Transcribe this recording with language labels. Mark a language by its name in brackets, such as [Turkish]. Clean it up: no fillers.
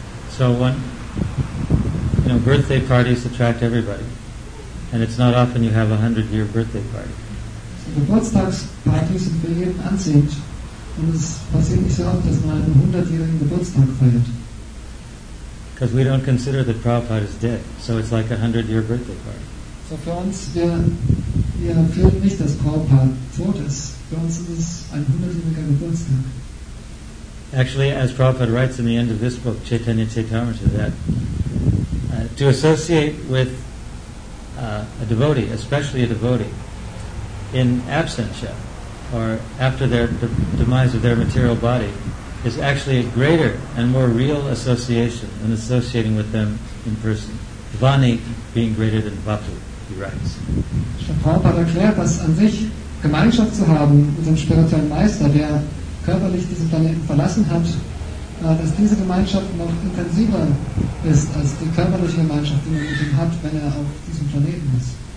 [English] So one, you know, birthday parties attract everybody. And it's not often you have a 100-year birthday party. [German] So Geburtstagspartys sind für jeden anziehend. Und es passiert nicht so oft, dass man einen 100-jährigen Geburtstag feiert. [English] Because we don't consider the Prabhupada as dead, so it's like a 100-year birthday party. [German] So für uns, wir feiern nicht, dass Prabhupada tot ist. Für uns ist es ein 100-jähriger Geburtstag. [English] Actually, as Prabhupada writes in the end of this book, Chaitanya Chaitamrita, that to associate with a devotee, especially a devotee, in absentia, or after their demise of their material body, is actually a greater and more real association than associating with them in person. Vani being greater than vatu, he writes. [German] Prabhupada erklärt, dass an sich Gemeinschaft zu haben mit dem spirituellen Meister, der körperlich diesen Planeten verlassen hat, dass diese Gemeinschaft noch intensiver ist als die körperliche Gemeinschaft, die man mit ihm hat, wenn er auf diesem Planeten ist.